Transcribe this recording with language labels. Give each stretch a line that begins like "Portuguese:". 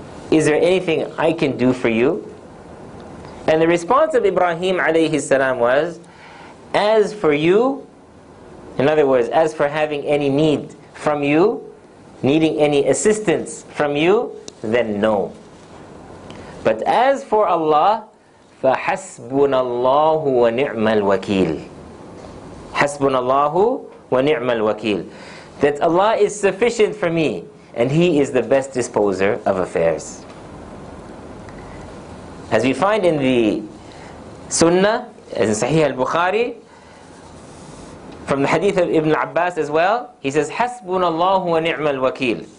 English: Is there anything I can do for you?" And the response of Ibrahim alayhi salam was, "As for you," in other words, "as for having any need from you, needing any assistance from you, then no. But as for Allah,
Arabic: فَحَسْبُنَ اللَّهُ وَنِعْمَ الْوَكِيلِ حَسْبُنَ اللَّهُ وَنِعْمَ الْوَكِيلِ.
English: That Allah is sufficient for me, and He is the best disposer of affairs. As we find in the Sunnah, in Sahih al-Bukhari, from the hadith of Ibn Abbas as well, he says,
Arabic: حَسْبُنَ اللَّهُ وَنِعْمَ الْوَكِيلِ.